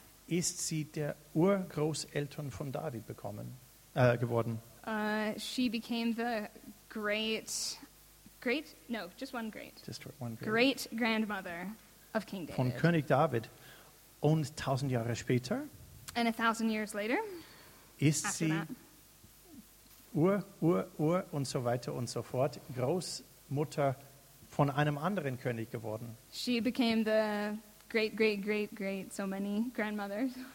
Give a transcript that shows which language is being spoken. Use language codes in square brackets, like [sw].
[de] Ist sie der Urgroßeltern von David bekommen geworden? [en] She became the great grandmother of King David. [de] Von König David. Und 1000 Jahre später. [en] And 1000 years later. [de] Ist sie Ur und so weiter und so fort Großmutter von einem anderen König geworden. [en] She became the great, great, great, great, so many grandmothers.